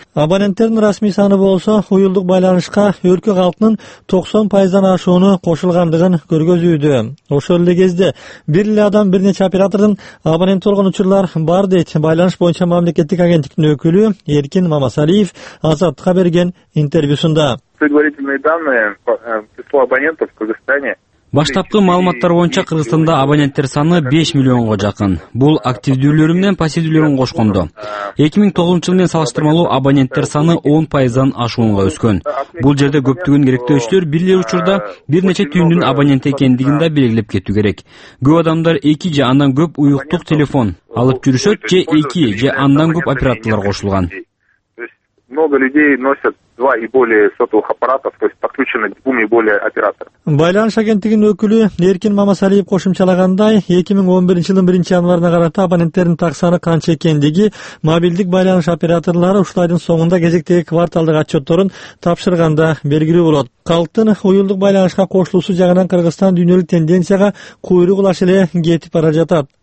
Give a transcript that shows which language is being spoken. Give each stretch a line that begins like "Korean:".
Kyrgyz: Абоненттердин расмий саны болсо уюлдук байланышка өлкө калкынын 90% ашууну кошулгандыгын көргөзүүдө. Ошол эле кезде бир эле адам бир нече оператордун абонент болгон учурлар бар дейт байланыш боюнча мамлекеттик агенттиктин өкүлү Эркин Мамасалиев Азаттыкка берген интервьюсунда.
Russian: Предварительные данные по числу абонентов в Казахстане.
Kyrgyz: Баштапкы маалыматтар боюнча Кыргызстанда абоненттер саны 5 миллионго жакын. Бул активдүүлөрү менен пассивдүүлөрүн кошкондо. 2009 жыл менен салыштырмалуу абоненттер саны 10% ашууга өскөн. Бул жерде көптөгөн керектөөчүлөр бир эле учурда бир нече түйүндүн абоненти экендигин да белгилеп кетүү керек. Көп адамдар 2 же андан көп уюктук телефон алып жүрүшөт же 2 же андан көп операторлор кошулган.
Russian: Много людей носят 2 и более сотовых аппаратов, то есть подключены 2 и более операторов.
Kyrgyz: Байланыш агенттигинин өкүлү Эркин Мамасалиев кошумчалагандай, 2011 жылдын 1 январына карата абоненттердин так саны канча экендиги мобилдик байланыш операторлору ушул айдын соңунда кезектеги кварталдык отчетторун тапшырганда белгилүү болот. Калктын уюлдук байланышка кошулуусу жагынан Кыргызстан дүйнөлүк тенденцияга куйрук улаш эле кетип бара жатат.